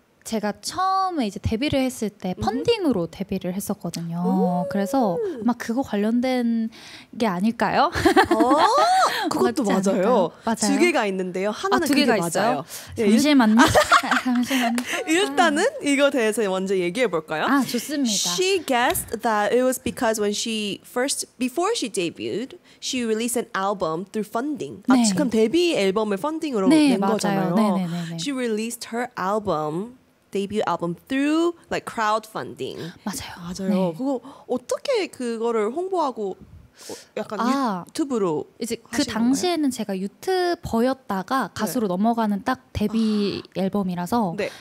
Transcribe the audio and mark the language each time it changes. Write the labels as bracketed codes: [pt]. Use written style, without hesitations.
[ko] 제가 처음에 이제 데뷔를 했을 때 펀딩으로 mm-hmm. 데뷔를 했었거든요. Ooh. 그래서 아마 그거 관련된 게 아닐까요? 어? 그것도 맞아요. 맞아요. 두 개가 있는데요. 하나는 아, 두 개가 그게 맞아요. 있어요? 잠시만요. 잠시만요. 일단은 이거 대해서 먼저 얘기해 볼까요? 아, 좋습니다. [en] She guessed that it was because when she first before she debuted, she released an album through funding. [ko] 네. 아, 지금 데뷔 앨범을 펀딩으로 네, 낸 맞아요. 거잖아요. 네, 네, 네, 네. [en] She released her album debut album through like crowdfunding. [ko] 맞아요. 맞아요. 네. 그거 어떻게 그거를 홍보하고 약간 아, 유튜브로 이제 그 당시에는 제가 유튜버였다가 가수로 네. 넘어가는 딱 데뷔 아. 앨범이라서 네.